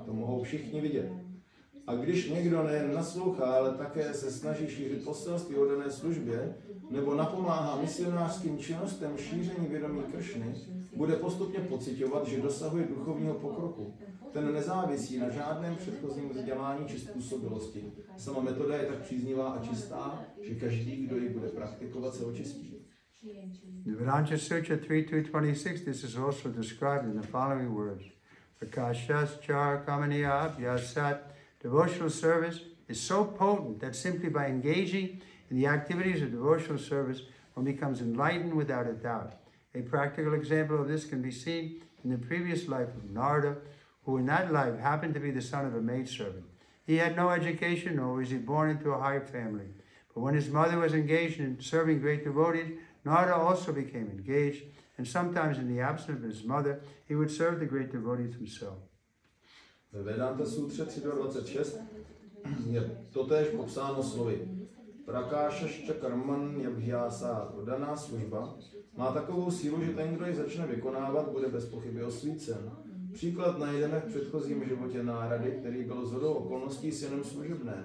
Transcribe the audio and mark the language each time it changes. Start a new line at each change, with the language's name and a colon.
Czech: To mohou všichni vidět. A když někdo nejen naslouchá, ale také se snaží šířit poselství o dané službě, nebo napomáhá misionářským činnostem šíření vědomí Kršny, bude postupně pociťovat, že dosahuje duchovního pokroku. Ten nezávisí na žádném předchozím vzdělání či způsobilosti. Sama metoda je tak příznivá a čistá, že každý, kdo ji bude praktikovat, se očistí.
English: Vedanta Sutra 3.2.26, this is also described in the following words.
Sanskrit: Prakashas char kamaniya abhyasat.
English: Devotional service is so potent that simply by engaging in the activities of devotional service, one becomes enlightened without a doubt. A practical example of this can be seen in the previous life of Narada, who in that life happened to be the son of a maidservant. He had no education, nor was he born into a high family. But when his mother was engaged in serving great devotees, Narada also became engaged, and sometimes in the absence of his mother, he would serve the great devotees himself.
Czech: Ve Vedanta Sutře 3.26 je totéž popsáno slovy
Sanskrit: Prakášašča karman yabhyasa,
Czech: daná služba má takovou sílu, že ten, kdo ji začne vykonávat, bude bez pochyby osvícen. Příklad najdeme v předchozím životě Nárady, který byl zhodou okolností synem služebné.